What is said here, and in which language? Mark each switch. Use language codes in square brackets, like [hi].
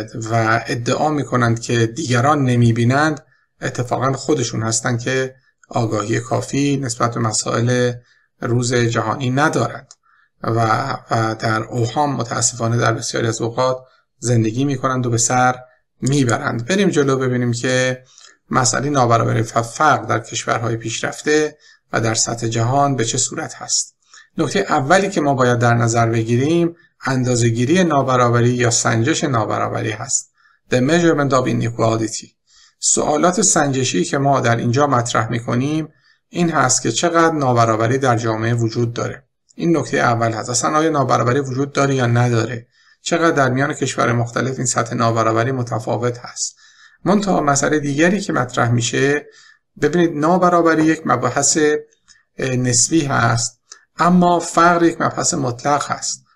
[fa] و ادعا میکنند که دیگران نمیبینند، اتفاقا خودشون هستند که آگاهی کافی نسبت به مسائل روز جهانی ندارند و در اوهام متاسفانه در بسیاری از اوقات زندگی میکنند و به سر میبرند. بریم جلو ببینیم که مسئله نابرابری و فقر در کشورهای پیشرفته و در سطح جهان به چه صورت هست. نکته اولی که ما باید در نظر بگیریم اندازه‌گیری نابرابری یا سنجش نابرابری هست. [en] The measurement of inequality. [fa] سوالات سنجشی که ما در اینجا مطرح می‌کنیم این هست که چقدر نابرابری در جامعه وجود داره. این نکته اول هست. اصلا آیا نابرابری وجود داره یا نداره؟ چقدر در میان کشور مختلف این سطح نابرابری متفاوت هست؟ منتها مسئله دیگری که مطرح میشه، ببینید نابرابری یک مبحث نسبی هست، اما فقر یک مبحث مطلق هست.